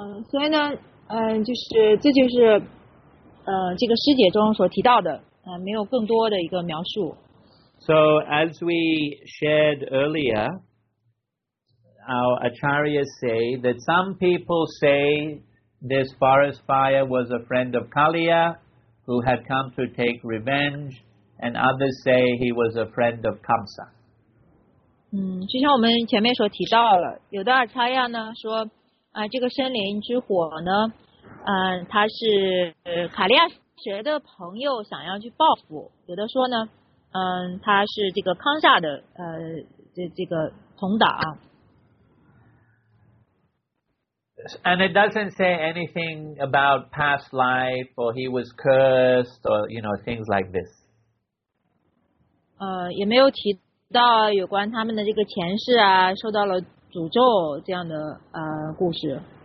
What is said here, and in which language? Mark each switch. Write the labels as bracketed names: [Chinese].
[Chinese] 所以呢，就是这就是，这个诗节中所提到的，没有更多的一个描述。 [English] So as we shared earlier, our acharyas say that some people say this forest fire was a friend of Kaliya who had come to take revenge, and others say he was a friend of Kamsa. [Chinese] 就像我们前面所提到了，有的阿查亚呢说，这个森林之火呢，它是卡利亚学的朋友想要去报复；有的说呢，它是这个康萨的这个同党。 [English] And it doesn't say anything about past life or he was cursed or you know things like this. [Chinese] 也没有提。到有关他们的这个前世啊，受到了诅咒这样的故事。